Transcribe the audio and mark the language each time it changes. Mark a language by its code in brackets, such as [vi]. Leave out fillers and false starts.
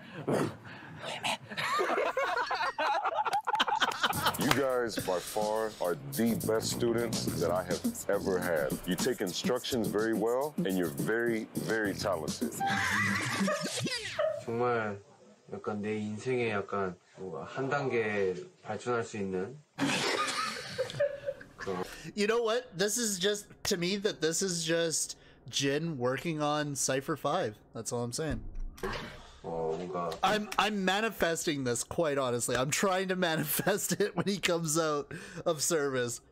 [en] Ha ha ha ha ha! You guys, by far, are the best students that I have ever had. You take instructions very well, and you're very, very talented. [ko] 정말 약간 내 인생에 약간 뭐 한 단계 발전할 수 있는. [en] You know what? This is just, to me, that this is just Jin working on Cypher 5. That's all I'm saying. I'm manifesting this, quite honestly. I'm trying to manifest it when he comes out of service.